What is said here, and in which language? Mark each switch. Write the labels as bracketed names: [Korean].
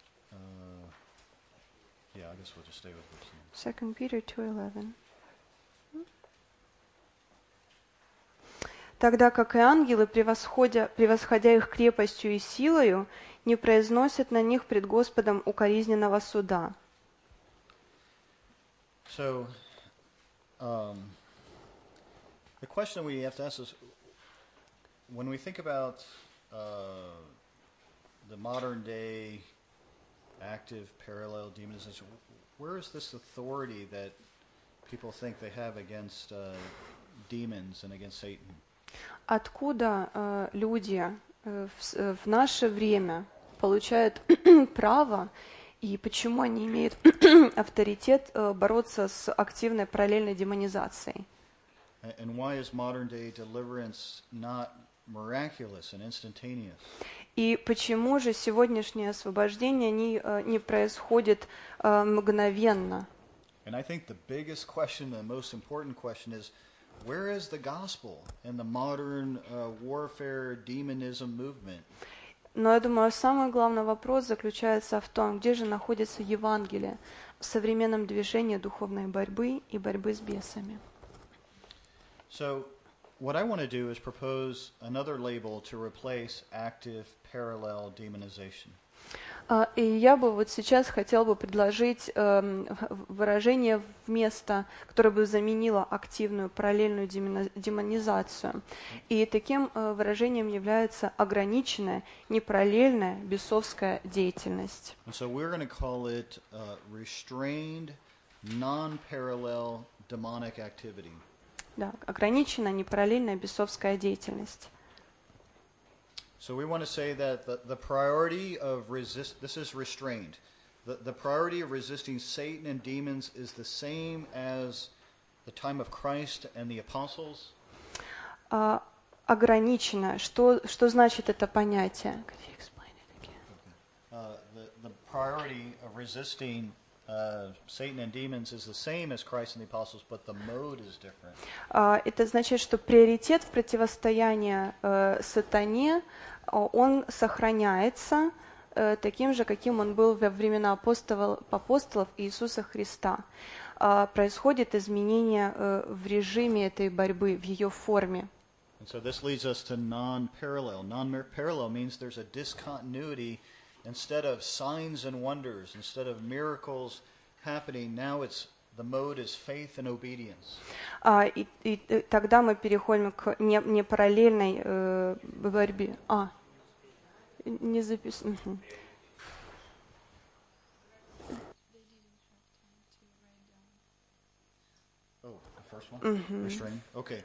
[English] Probably, I guess we'll just stay with this. 2 Peter 2:11. [Russian] Тогда как и ангелы, превосходя их крепостью и силою, не произносят на них пред Господом укоризненного суда. [English] So, the question we have to ask is, when we think about the modern day active parallel demonization, where is this authority that people think they have against demons and against Satan? [Russian] Откуда люди в наше время получают право и почему они имеют авторитет бороться с активной параллельной демонизацией? [English] And why is modern day deliverance not miraculous and instantaneous? [Russian] И почему же сегодняшнее освобождение не происходит мгновенно? [English] And I think the biggest question, the most important question is, where is the gospel in the modern warfare demonism movement? [Russian] Но я думаю, самый главный вопрос заключается в том, где же находится Евангелие в современном движении духовной борьбы и борьбы с бесами. [English] So what I want to do is propose another label to replace active parallel demonization. [Russian] И я бы вот сейчас хотел бы предложить выражение вместо, которое бы заменило активную параллельную демонизацию. И таким выражением является ограниченная, непараллельная бесовская деятельность. [English] And so we're going to call it restrained, non-parallel demonic activity. [Russian] Да, ограниченная, непараллельная бесовская деятельность. [English] So we want to say that the priority of resist, this is restrained. The priority of resisting Satan and demons is the same as the time of Christ and the apostles. [Russian] Ограничено. Что значит это понятие? [English] Could you explain it again? The priority of resisting Satan and demons is the same as Christ and the apostles, but the mode is different. [Russian] Это значит, что приоритет в противостоянии сатане он сохраняется таким же, каким он был во времена апостолов Иисуса Христа. Происходит изменение в режиме этой борьбы, в ее форме. [English] And so this leads us to non-parallel. Non-parallel means there's a discontinuity. Instead of signs and wonders, instead of miracles happening, now it's the mode is faith and obedience. [Russian] И тогда мы переходим к не параллельной борьбе. Не записан. [English] Oh, the first one. Restrain. Okay.